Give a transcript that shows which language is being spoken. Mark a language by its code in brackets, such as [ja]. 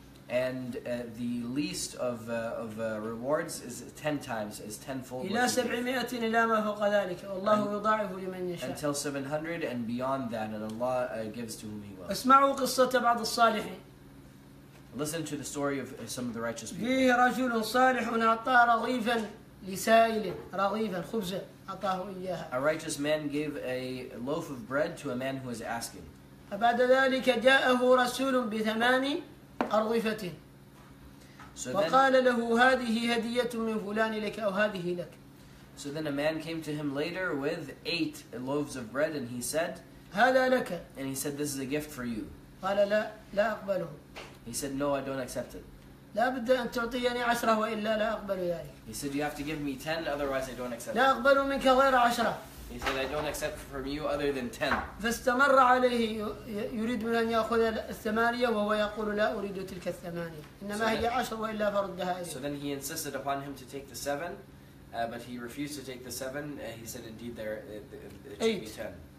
[en] And the least of rewards is 10 times, is tenfold. [ar] إلى 700 إلى ما فوق ذلك والله يضاعف لمن يشاء. [en] Until 700 and beyond that, and Allah gives to whom He will. [ar] اسمعوا قصة بعض الصالحين. [en] Listen to the story of some of the righteous people. [ar] فيه رجل صالح أعطى رغيفا لسائل رغيفا خبزا أعطاه إياها. [en] A righteous man gave a loaf of bread to a man who was asking. [ar] بعد ذلك جاءه رسول بثمان أرغفة. [en] So [ar] وقال [en] then, [ar] له هذه هدية من فلان لك أو هذه لك. [en] So then a man came to him later with 8 loaves of bread and he said. [ar] هذا لك. [en] And he said this is a gift for you. [ar] قال لا لا أقبله. [en] He said, no, I don't accept it. [ar] لا بد أن تعطيني عشرة وإلا لا أقبل ذلك. [en] He said, you have to give me 10, otherwise I don't accept [ar] لا أقبل منك غير عشرة. [en] He said, I don't accept from you other than 10. [ar] فاستمر عليه يريد من أن يأخذ الثمانية وهو يقول لا أريد تلك الثمانية. إنما هي عشرة وإلا فردها إليه. [en] So then he insisted upon him to take the 7, but he refused to take the 7. He said, indeed, there it should be 10.